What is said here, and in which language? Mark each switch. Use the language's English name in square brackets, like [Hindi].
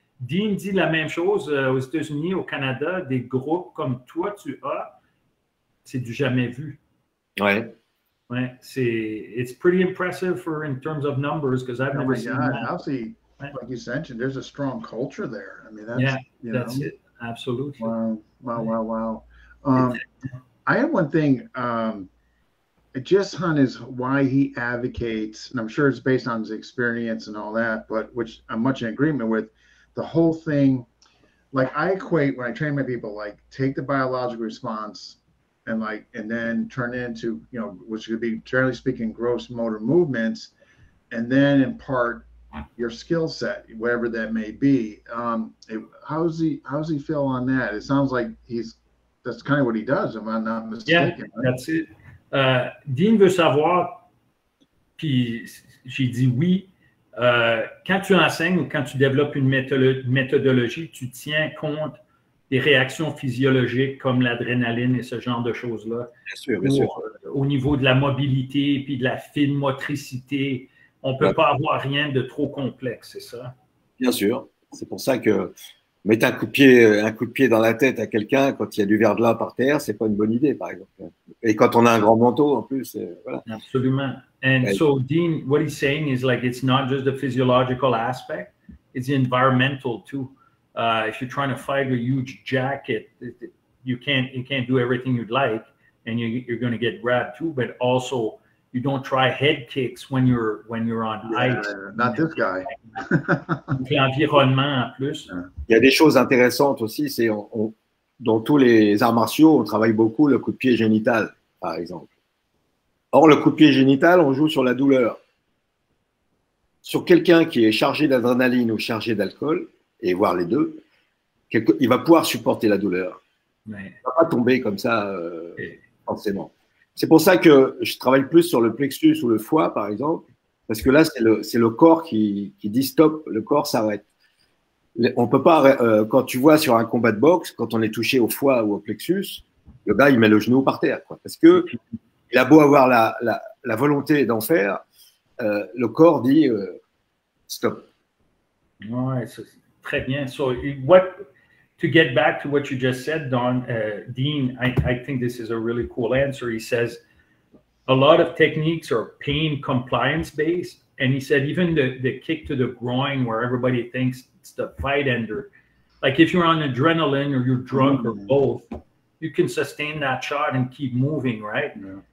[French] Dean dit la même chose aux États-Unis, au Canada, des groupes comme toi, tu as, c'est du jamais vu. Oui. [English] Ouais, it's pretty impressive in terms of numbers, because I've never seen that. Like you mentioned, there's a strong culture there. I mean, that's it. Absolutely. Wow. I have one thing. Jishan is why he advocates, and I'm sure it's based on his experience and all that, but which I'm much in agreement with, the whole thing. Like, I equate when I train my people, like, take the biological response and then turn it into, you know, which would be, generally speaking, gross motor movements, and then impart your skill set, whatever that may be. How's he feel on that? It sounds like that's kind of what he does, if I'm not mistaken. Yeah, that's it. [French] Dean veut savoir, puis j'ai dit oui. Quand tu enseignes ou quand tu développes une méthodologie, tu tiens compte des réactions physiologiques comme l'adrénaline et ce genre de choses-là. Bien sûr. Au niveau de la mobilité puis de la fine motricité. On ne peut pas avoir rien de trop complexe, c'est ça? Bien sûr. C'est pour ça que Mettre un coup de pied dans la tête à quelqu'un quand il y a du verglas par terre, c'est pas une bonne idée, par exemple. Et quand on a un grand manteau, en plus, voilà. Absolument. [English] And so, Dean, what he's saying is like it's not just the physiological aspect, it's the environmental too. If you're trying to fight a huge jacket, you can't do everything you'd like, and you're going to get grabbed too. But also, you don't try head kicks when you're on ice. Not this guy. [French] L'environnement en plus. Il y a des choses intéressantes aussi. C'est dans tous les arts martiaux, on travaille beaucoup le coup de pied génital, par exemple. Or, le coup de pied génital, on joue sur la douleur. Sur quelqu'un qui est chargé d'adrénaline ou chargé d'alcool, et voire les deux, il va pouvoir supporter la douleur. Il ne va pas tomber comme ça, forcément. C'est pour ça que je travaille plus sur le plexus ou le foie, par exemple, parce que là, c'est le corps qui dit stop, le corps s'arrête. On peut pas, quand tu vois sur un combat de boxe, quand on est touché au foie ou au plexus, le gars, il met le genou par terre, quoi, parce que il a beau avoir la volonté d'en faire, le corps dit stop. Ouais, très bien. [English] So, to get back to what you just said, Dean, I think this is a really cool answer. He says a lot of techniques are pain compliance based, and he said even the kick to the groin, where everybody thinks it's the fight ender, like if you're on adrenaline or you're drunk or both, you can sustain that shot and keep moving, right? Yeah.